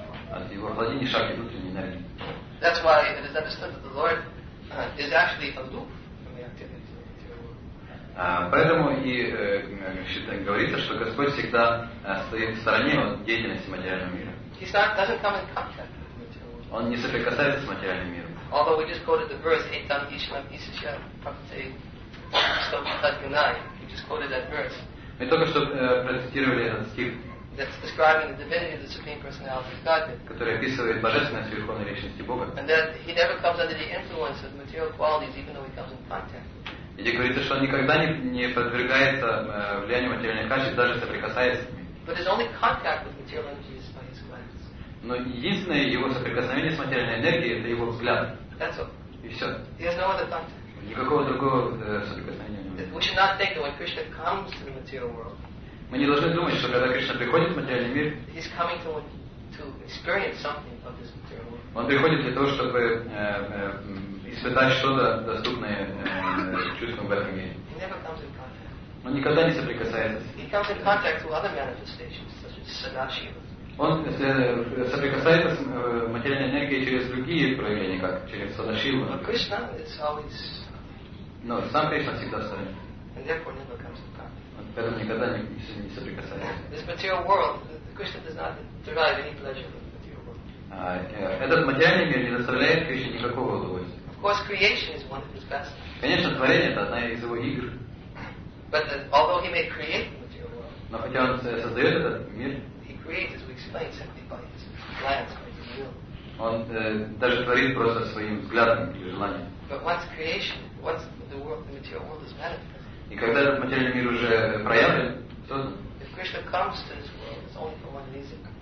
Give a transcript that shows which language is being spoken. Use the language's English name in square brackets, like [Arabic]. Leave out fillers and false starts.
[Russian] От его владения шакти, внутренней энергии. [English] That's why it is understood that the Lord is actually aloof from the activities of the material world. [Russian] Поэтому и говорится, что Господь всегда стоит в стороне от деятельности материального мира. [English] He's not, doesn't come in contact. [Russian] Он не соприкасается с материальным миром. [English] Although we just quoted the verse Etam Ishma Isha Prakti Stokunai. We just quoted that verse. [Russian] Мы только что процитировали этот стих. [English] that's describing the divinity of the Supreme Personality of Godhead, [Russian] который описывает божественность верховной личности Бога, [English] and that he never comes under the influence of material qualities, even though he comes in contact. [Russian] И говорится, что он никогда не подвергается влиянию материальных качеств, даже соприкасаясь с ними. [English] But his only contact with material energy is by his glance. [Russian] Но единственное его соприкосновение с материальной энергией — это его взгляд. [English] That's all. [Russian] И все. [English] He has no other contact. [Russian] Никакого другого соприкосновения нет. [English] We should not think that when Krishna comes to the material world. [Russian] Мы не должны думать, что когда Кришна приходит в материальный мир, [English] he's coming to experience something of this material world. [Russian] Он приходит для того, чтобы испытать что-то доступное чувствам в этом мире. [English] He never comes in contact. [Russian] Он никогда не соприкасается. [English] He comes in contact with other manifestations, such as Sadashiva. [Russian] Он соприкасается с материальной энергией через другие проявления, как через Садашиву. [English] But Krishna is always. [Russian] Но сам Кришна всегда с вами. [English] And therefore never comes in contact. [Russian] Поэтому никогда не соприкасается. [English] This material world, Krishna does not derive any pleasure from the material world. [Russian] Этот материальный мир не доставляет Кришне никакого удовольствия. [English] Of course, creation is one of his best. [Russian] Конечно, творение — это одна из его игр. [English] But although he may create the material world. [Russian] Но хотя он создает этот мир. [English] He creates, as we explained, simply by his glance, by his will. [Russian] Он даже творит просто своим взглядом или желанием. [English] But once creation, once the world, the material world is manifest. [Russian] И когда этот материальный мир уже проявлен, то. [English] If Krishna comes to this world, it's only for one reason.